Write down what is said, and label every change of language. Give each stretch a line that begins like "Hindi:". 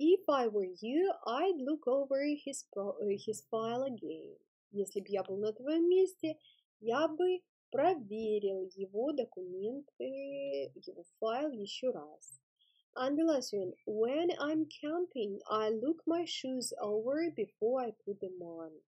English: If I were you, I'd look over his file again.
Russian: Если бы я был на твоем месте, я бы проверил его документы, его файл еще раз.
English: And the last one, when I'm camping, I look my shoes over before I put them on.